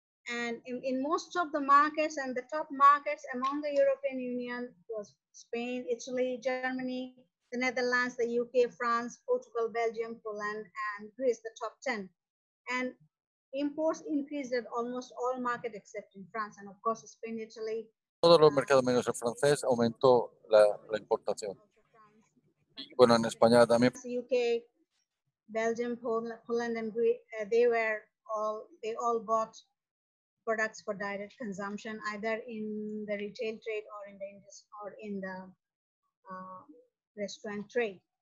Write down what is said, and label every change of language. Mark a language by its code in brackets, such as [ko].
[en] And in most of the markets and the top markets among the European Union was Spain, Italy, Germany, the Netherlands, the UK, France, Portugal, Belgium, Poland, and Greece, the top 10. And imports increased at almost all markets except in France, and of course, Spain, Italy. [es] Todos los mercados menos el francés aumentó la importación. Y bueno, en España también. [en] UK, Belgium, Poland, and Greece, they all bought products for direct consumption, either in the retail trade or in the restaurant trade.